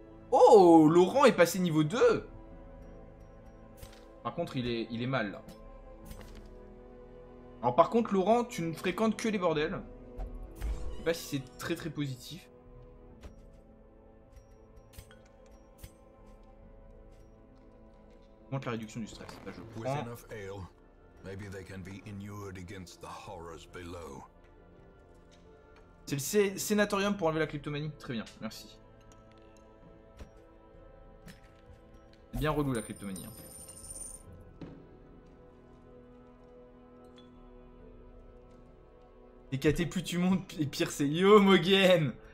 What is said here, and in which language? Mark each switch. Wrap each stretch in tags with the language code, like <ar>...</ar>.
<fr>Oh, Laurent est passé niveau 2. Par contre, il est mal là. Alors par contre, Laurent, tu ne fréquentes que les bordels. Je sais pas si c'est très très positif. Montre la réduction du stress. Là, je prends.</fr> <en>Maybe they can be inured against the horrors below.</en> <fr>C'est le sénatorium pour enlever la kleptomanie. Très bien, merci. C'est bien relou la kleptomanie. Hein. Et KT, plus tu montes, et pire c'est Yo Mogen.</fr>